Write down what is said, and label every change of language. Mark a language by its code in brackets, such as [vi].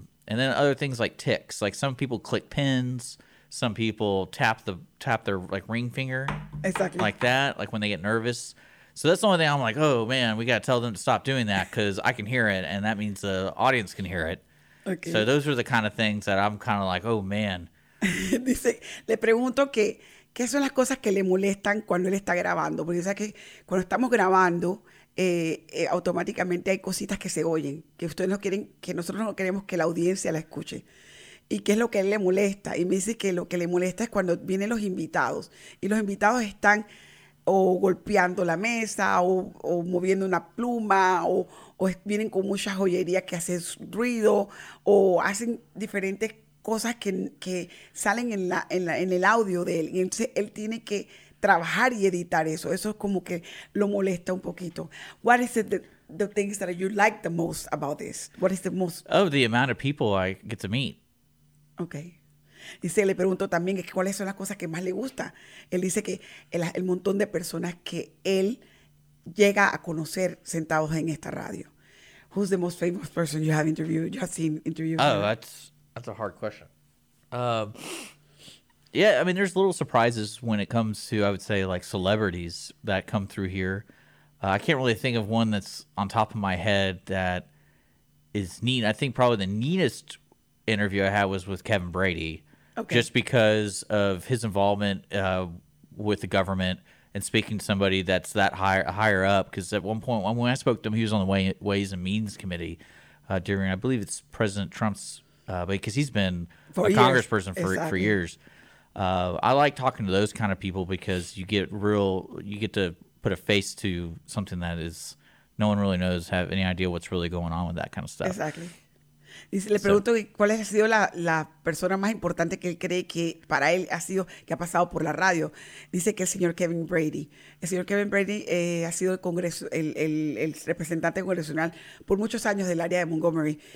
[en] And then other things like ticks. Like, some people click pins. Some people tap their, like, ring finger. Exactly. Like that, like when they get nervous. So that's the only thing I'm like, oh, man, we got to tell them to stop doing that because I can hear it, and that means the audience can hear it. Okay. So those are the kind of things that I'm kind of like, oh, man. [es] Dice, le pregunto que, ¿qué son las cosas que le molestan cuando él está grabando? Porque, o sea, que cuando estamos grabando, automáticamente hay cositas que se oyen, que ustedes no quieren, que nosotros no queremos que la audiencia la escuche. ¿Y qué es lo que a él le molesta? Y me dice que lo que le molesta es cuando vienen los invitados. Y los invitados están o golpeando la mesa, o moviendo una pluma, o vienen con mucha joyería que hace ruido, o hacen diferentes cosas que salen en el audio de él. Y entonces él tiene que trabajar y editar eso. Eso es como que lo molesta un poquito. [en] What is it the things that you like the most about this? What is the most? Oh, the amount of people I get to meet. Okay. [es] Dice, le pregunto también es que cuáles son las cosas que más le gusta. Él dice que el montón de personas que él llega a conocer sentados en esta radio. [en] Who's the most famous person you have interviewed? You have seen interviewed? Oh, that's a hard question. Yeah, I mean, there's little surprises when it comes to, I would say, like celebrities that come through here. I can't really think of one that's on top of my head that is neat. I think probably the neatest interview I had was with Kevin Brady. Okay. Just because of his involvement with the government and speaking to somebody that's that higher up, because at one point when I spoke to him, he was on the Ways and Means Committee during, I believe it's President Trump's, because he's been for a years. Congressperson for exactly. For years. I like talking to those kind of people because you get to put a face to something that is no one really knows, have any idea what's really going on with that kind of stuff. Exactly. [es] Dice, le pregunto cuál ha sido la persona más importante que él cree que para él ha sido, que ha pasado por la radio. Dice que el señor Kevin Brady. El señor Kevin Brady ha sido el representante congresional por muchos años del área de Montgomery.